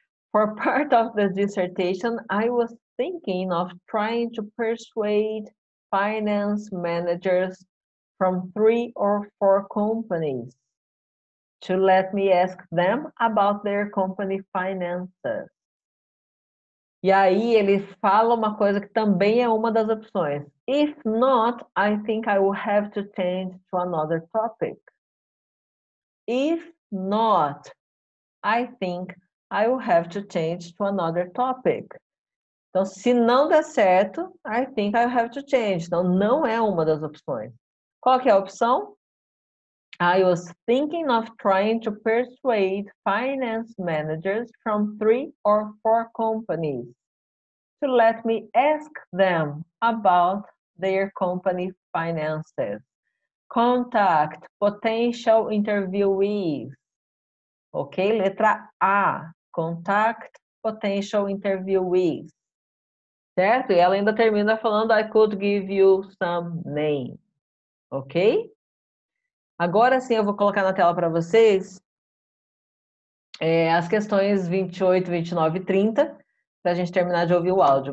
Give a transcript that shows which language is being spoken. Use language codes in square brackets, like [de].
[en] For part of the dissertation, I was thinking of trying to persuade finance managers from 3 or 4 companies to let me ask them about their company finances. [pt] E aí ele fala uma coisa que também é uma das opções. [en] If not, I think I will have to change to another topic. If not, I think I will have to change to another topic. [pt] Então, se não der certo, [en] I think I have to change. [pt] Então, não é uma das opções. Qual que é a opção? [en] I was thinking of trying to persuade finance managers from 3 or 4 companies to let me ask them about their company finances. Contact potential interviewees. Ok? [pt] Letra A. [en] Contact potential interviewees. [pt] Certo? E ela ainda termina falando, [en] I could give you some name. Ok? [pt] Agora sim, eu vou colocar na tela para vocês as questões 28, 29 e 30, para a gente terminar de ouvir o áudio.